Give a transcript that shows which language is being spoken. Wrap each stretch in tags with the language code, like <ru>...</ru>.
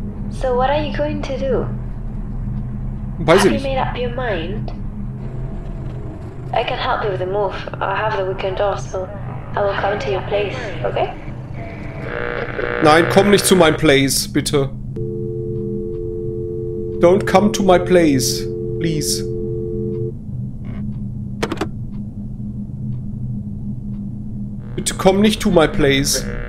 <en>So, what are you going to do?</en> <de>Weiß ich nicht.</de> <en>Have you made up your mind? I can help you with the move. I have the weekend off, so I will come to your place, okay?</en> <de>Nein, komm nicht zu meinem Place, bitte.</de> <en>Don't come to my place, please.</en> <de>Bitte komm nicht</de> <en>to my place.</en>